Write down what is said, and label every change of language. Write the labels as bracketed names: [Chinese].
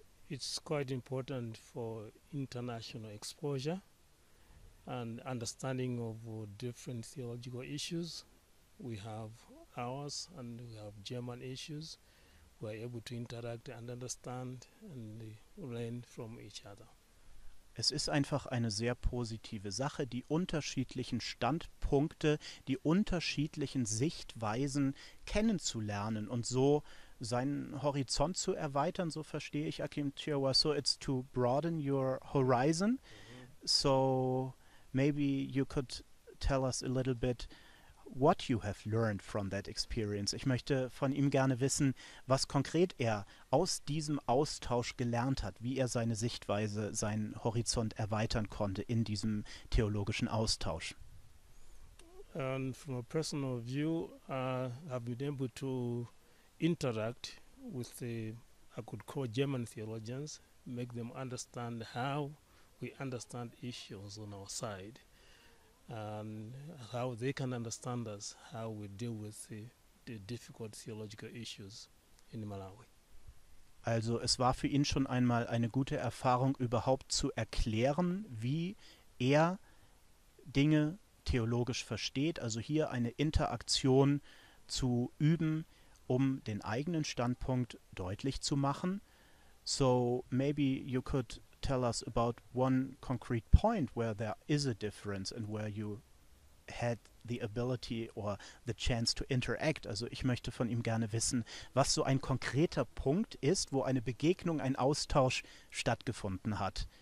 [English] It's quite important for international exposure and understanding of different theological issues. We have ours and we have German issues. We are able to interact and understand and learn from each other. [German] Es ist einfach eine sehr positive Sache, die unterschiedlichen Standpunkte, die unterschiedlichen Sichtweisen kennenzulernen und so seinen Horizont zu erweitern, so verstehe ich Akim Chirwa. [English] So it's to broaden your horizon. So maybe you could tell us a little bit what you have learned from that experience. [German] Ich möchte von ihm gerne wissen, was konkret er aus diesem Austausch gelernt hat, wie er seine Sichtweise, seinen Horizont erweitern konnte in diesem theologischen Austausch. [English] And from a personal view, I have been able to interact with the, I could call German theologians, make them understand how we understand issues on our side. And how they can understand us, how we deal with the difficult theological issues in Malawi. [German] Also es war für ihn schon einmal eine gute Erfahrung, überhaupt zu erklären, wie er Dinge theologisch versteht, also hier eine Interaktion zu üben, um den eigenen Standpunkt deutlich zu machen. [English] So maybe you could tell us about one concrete point where there is a difference and where you had the ability or the chance to interact. [German] Also ich möchte von ihm gerne wissen, was so ein konkreter Punkt ist, wo eine Begegnung, ein Austausch stattgefunden hat.